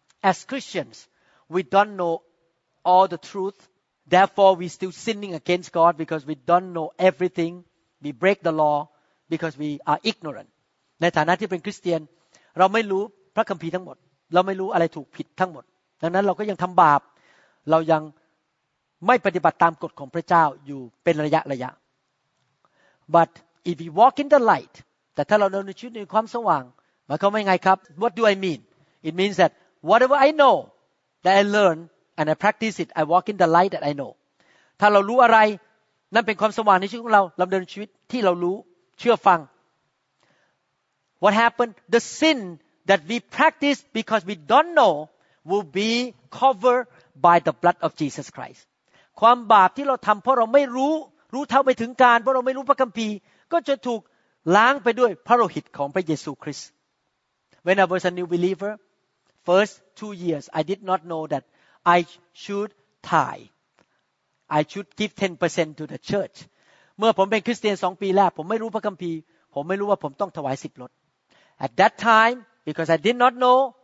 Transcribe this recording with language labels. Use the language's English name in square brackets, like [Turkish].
[English] As Christians we don't know all the truth therefore we still sinning against God because we don't know everything we break the law because we are ignorant [Thai] ในฐานะที่เป็นคริสเตียนเราไม่รู้พระคัมภีร์ทั้งหมดเราไม่รู้อะไรถูกผิดทั้งหมดดังนั้นเราก็ยังทำบาปเรายังไม่ปฏิบัติตามกฎของพระเจ้าอยู่เป็นระยะระยะ [English] But if we walk in the light [Thai] แต่ถ้าเราดำเนินชีวิตในความสว่างหมายความว่าไงครับ [English] What do I mean? It means that whatever I know that I learn and I practice it, I walk in the light that I know. [Thai] ถ้าเรารู้อะไรนั่นเป็นความสว่างในชีวิตของเราดำเนินชีวิตที่เรารู้เชื่อฟัง [English] What happened? The sin that we practice because we don't know will be covered by the blood of Jesus Christ. [Thai] ความบาปที่เราทำเพราะเราไม่รู้รู้เท่าไม่ถึงการเพราะเราไม่รู้พระคัมภีร์ก็จะถูกล้างไปด้วยพระโลหิตของพระเยซูคริสต์ [English] When I was a new believer first 2 years I did not know that I should tithe I should give 10% to the church [Thai] เมื่อผมเป็นคริสเตียน2ปีแรกผมไม่รู้พระคัมภีร์ผมไม่รู้ว่าผมต้องถวาย10ลด [English] At that time because I did not know